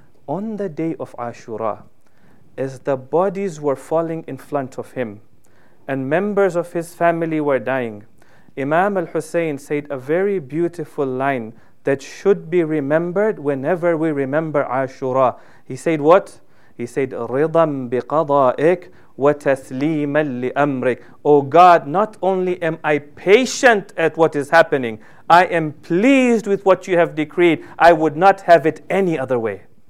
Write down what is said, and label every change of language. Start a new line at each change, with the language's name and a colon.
English: On the day of Ashura, as the bodies were falling in front of him and members of his family were dying, Imam al-Hussein said a very beautiful line that should be remembered whenever we remember Ashura. He said what? He said,
Arabic: رِضًا بِقَضَائِكْ وَتَسْلِيمًا لِأَمْرِكْ.
English: O God, not only am I patient at what is happening, I am pleased with what you have decreed. I would not have it any other way.